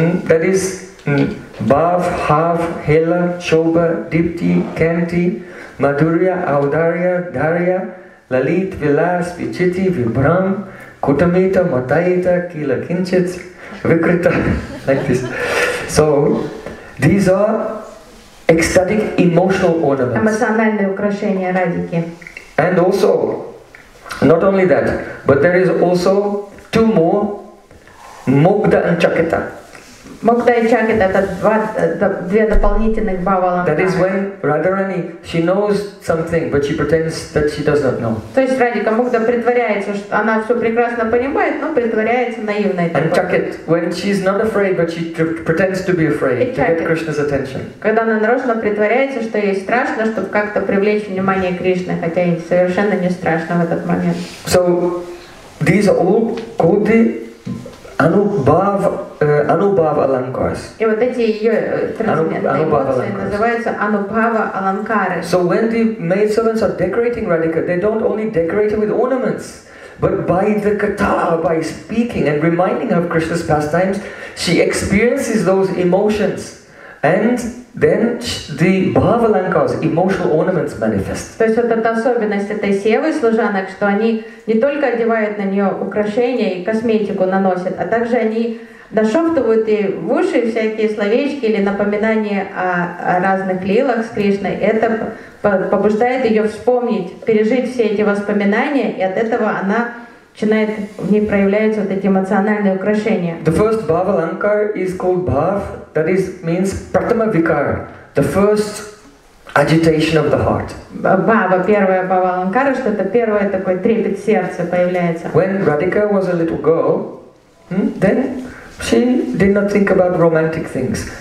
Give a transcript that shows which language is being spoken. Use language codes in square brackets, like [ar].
[en] That is bhav, half, hela, shobha, dipti, kanti, madhurya, audarya, darya, lalit, vilas, vichiti, vibram, kutamita, matayita, kila kinchit, vikrita, like this. So these are ecstatic emotional ornaments. [ru] Эмоциональные украшения Радики. [en] And also, not only that, but there is also two more, Mogda and Chaketa. [ru] Mogda and Chaketa, это две дополнительных bhava alankara. [en] That is why Radharani, she knows something, but she pretends that she does not know. [ru] То есть Радика Мугда притворяется, что она все прекрасно понимает, но притворяется наивной. [en] And Chaket, when she is not afraid, but she pretends to be afraid to get Krishna's attention. [ru] Когда она нарочно притворяется, что ей страшно, чтобы как-то привлечь внимание Кришны, хотя ей совершенно не страшно в этот момент. [en] So these are all called the anubhava alankars. [ru] И вот эти ее называются anubhava alankara. [en] So when the maid servants are decorating Radhika, they don't only decorate her with ornaments, but by the katha, by speaking and reminding her of Krishna's pastimes, she experiences those emotions, and then the bhava alankars, emotional ornaments, manifest. [ru] То есть вот эта особенность этой севы служанок, что они не только одевают на нее украшения и косметику наносят, а также они нашептывают ей в уши всякие словечки или напоминания о разных лилах с Кришной. Это побуждает ее вспомнить, пережить все эти воспоминания, и от этого она начинает, в ней проявляются вот эти эмоциональные украшения. [en] The first bhava alankar is called bhav, that is, means pratama vikara, the first agitation of the heart. [ru] Bhava, первая bhava alankara, что это первое такое трепет сердца появляется. [en] When Radhika was a little girl, then she did not think about romantic things.